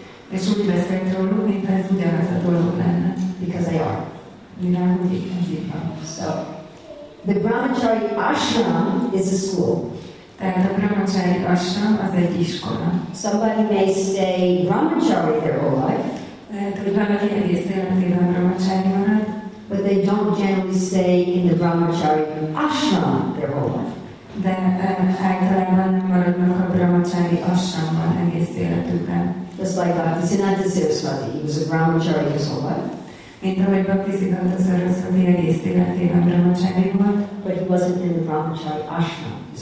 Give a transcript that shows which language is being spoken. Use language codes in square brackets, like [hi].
[hu] És úgy beszélt róluk, mint ez ugyanaz a dolog lenne. [en] Because they are. [hu] Világúdik, ezért van. [en] So, the Brahmachari Ashram is a school. [hu] Tehát a Brahmachari Ashram az egy iskola. [en] Somebody may stay Brahmachari their whole life. But they don't generally stay in the Brahmachari Ashram their whole life. [hu] De általában nem maradnak a Brahmachari Ashramban egész életükben. [en] Just like Bhakti Siddhanta Saraswati, he was a Brahmachari his whole life. [hu] Mint ahogy Bhakti Siddhanta Saraswati egész életében Brahmachari volt. [en] But he wasn't in the Brahmachari Ashram.